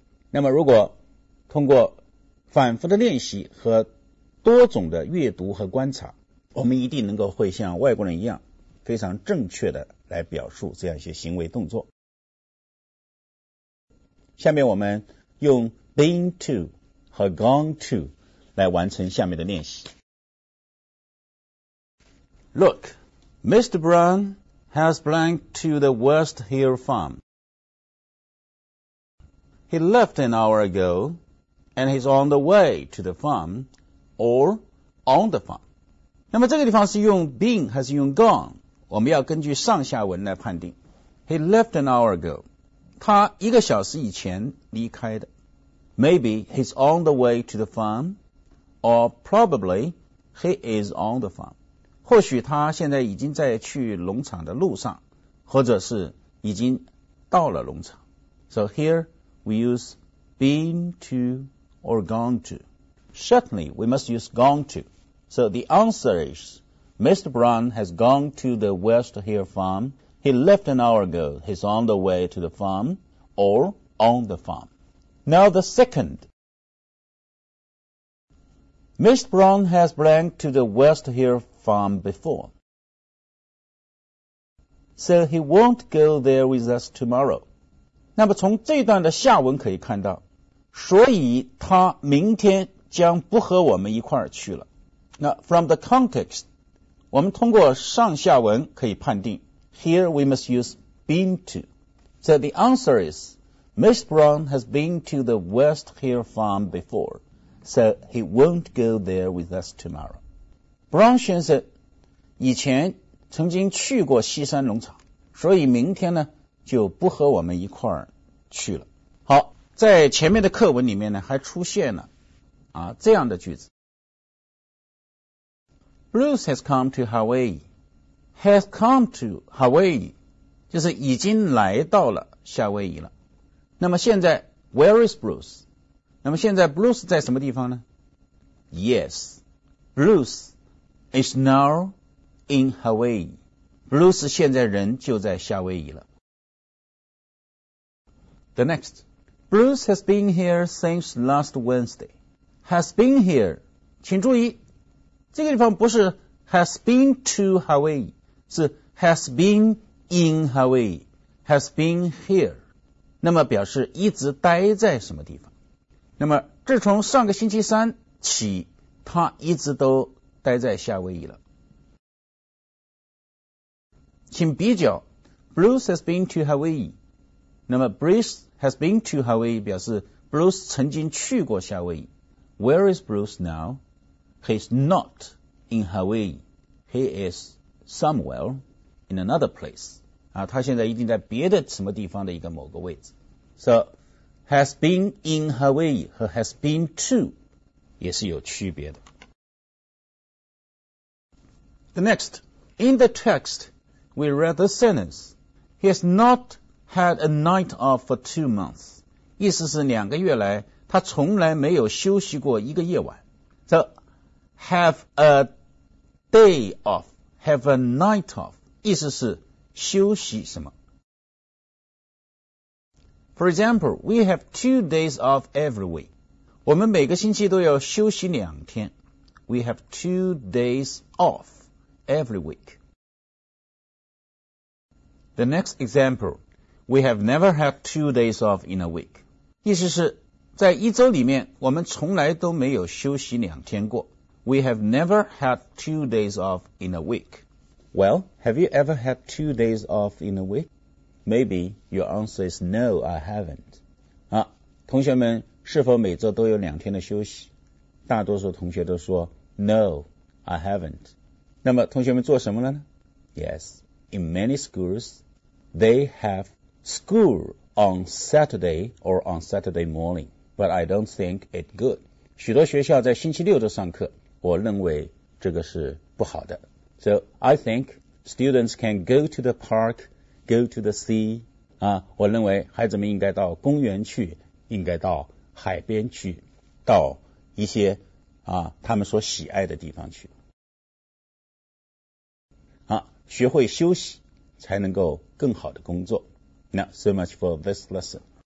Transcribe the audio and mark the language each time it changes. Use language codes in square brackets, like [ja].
[zh] 那么如果通过反复的练习和多种的阅读和观察我们一定能够会像外国人一样非常正确的来表述这样一些行为动作下面我们用 been to 和 gone to 来完成下面的练习。 [en] Look, Mr. Brown has blank to the West Hill Farm. He left an hour ago and he's on the way to the farm or on the farm. [zh] 那么这个地方是用 been 还是用 gone? 我们要根据上下文来判定。 [en] He left an hour ago. [zh] 他一个小时以前离开的。 [en] Maybe he's on the way to the farm, or probably he is on the farm. [zh] 或许他现在已经在去农场的路上，或者是已经到了农场。 [en] So here we use been to or gone to. Certainly we must use gone to. So the answer is Mr. Brown has gone to the West Hill farm. He left an hour ago. He's on the way to the farm or on the farm. Now the second. Mr. Brown has blanked to the West Hill farm before. So he won't go there with us tomorrow. [zh] 那么从这段的下文可以看到，所以他明天将不和我们一块儿去了。 [en] 那 from the context, [zh] 我们通过上下文可以判定 [en] ,here we must use been to. So the answer is, Mr. Brown has been to the West Hill farm before, so he won't go there with us tomorrow. [zh] Brown 先生以前曾经去过西山农场，所以明天呢就不和我们一块儿去了。好，在前面的课文里面呢还出现了啊这样的句子。 [en] Bruce has come to Hawaii. Has come to Hawaii. [zh] 就是已经来到了夏威夷了。那么现在 [en] ,where is Bruce? [zh] 那么现在 Bruce 在什么地方呢 [en] ?Yes. Bruce is now in Hawaii. [zh] Bruce 现在人就在夏威夷了。 [en] The next. Bruce has been here since last Wednesday. Has been here. [zh] 请注意，这个地方不是 [en] has been to Hawaii, [zh] 是 [en] has been in Hawaii, has been here. [zh] 那么表示一直待在什么地方。那么自从上个星期三起，他一直都待在夏威夷了。请比较 [en] Bruce has been to Hawaii. [zh] 那么 [en] Bruce has been to Hawaii [zh] 表示 [en] Bruce [zh] 曾经去过夏威夷。 [en] Where is Bruce now? He's not in Hawaii. He is somewhere in another place. [zh] 啊，他现在一定在别的什么地方的一个某个位置。 [en] So, has been in Hawaii 和 has been to [zh] 也是有区别的。 [en] The next. In the text, we read the sentence. He is notHad a night off for 2 months. [zh] 意思是两个月来他从来没有休息过一个夜晚。 [en] So, have a day off, have a night off. [zh] 意思是休息什么。 [en] For example, we have 2 days off every week. [zh] 我们每个星期都要休息两天。 [en] We have 2 days off every week. The next example. We have never had 2 days off in a week. [zh] 意思是在一周里面我们从来都没有休息两天过。 [en] We have never had 2 days off in a week. Well, have you ever had 2 days off in a week? Maybe your answer is no, I haven't. [zh] 啊，同学们是否每周都有两天的休息？大多数同学都说 [en] no, I haven't. [zh] 那么同学们做什么了呢？ [en] Yes, in many schools, they haveschool on Saturday or on Saturday morning, but I don't think it good. [zh] 许多学校在星期六都上课，我认为这个是不好的。 [en] So I think students can go to the park, go to the sea. [zh] 啊，我认为孩子们应该到公园去，应该到海边去，到一些啊他们所喜爱的地方去。啊，学会休息，才能够更好的工作。 [en] Now, so much for this lesson.